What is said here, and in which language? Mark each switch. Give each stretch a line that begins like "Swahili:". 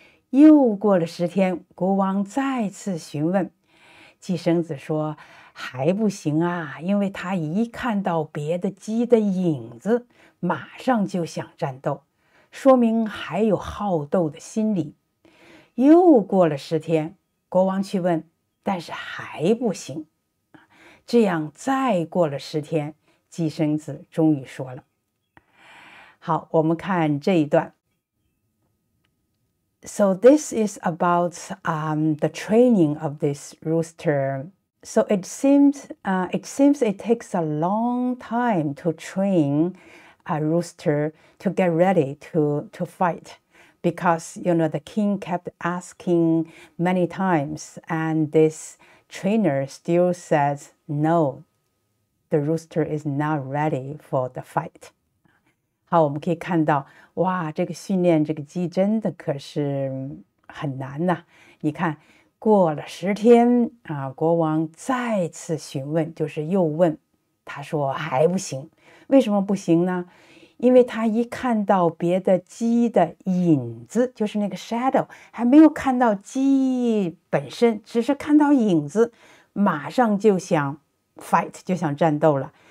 Chinese: 又过了10天，国王再次询问，季绳子说：“还不行啊，因为他一看到别的鸡的影子，马上就想战斗，说明还有好斗的心理。 ”又过了10天，国王去问，但是还不行。这样再过了10天，季绳子终于说了：“好，我们看这一段。”
English: So this is about the training of this rooster. So it seems it takes a long time to train a rooster to get ready to fight, because you know the king kept asking many times, and this trainer still says no, the rooster is not ready for the fight.
Chinese: 好，我们可以看到，哇，这个训练这个鸡真的可是很难呐、啊！你看，过了10天啊，国王再次询问，就是又问，他说还不行，为什么不行呢？因为他一看到别的鸡的影子，就是那个 shadow，还没有看到鸡本身，只是看到影子，马上就想 fight，就想战斗了。